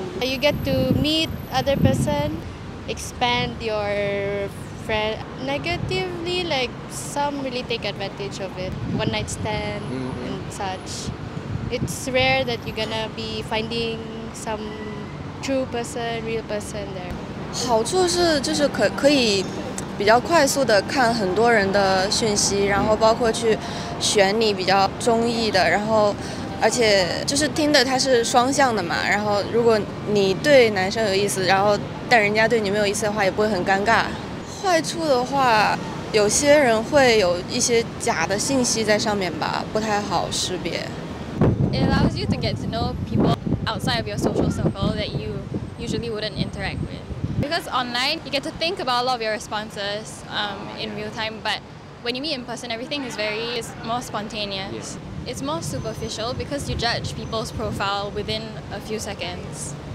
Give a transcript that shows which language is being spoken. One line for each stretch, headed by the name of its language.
English: You get to meet other person, expand your friend. Negatively, like some really take advantage of it. One night stand and such. It's rare that you're gonna be finding some true person, real person there.
Chinese: 好处是就是可以 比较快速的看很多人的讯息，然后包括去选你比较中意的，然后而且就是Tinder它是双向的嘛，然后如果你对男生有意思，然后但人家对你没有意思的话，也不会很尴尬。坏处的话，有些人会有一些假的信息在上面吧，不太好识别。
English: It allows you to get to know people outside of your social circle that you usually wouldn't interact with. Because online, you get to think about a lot of your responses in real time, but when you meet in person, everything is it's more spontaneous. Yeah. It's more superficial because you judge people's profile within a few seconds.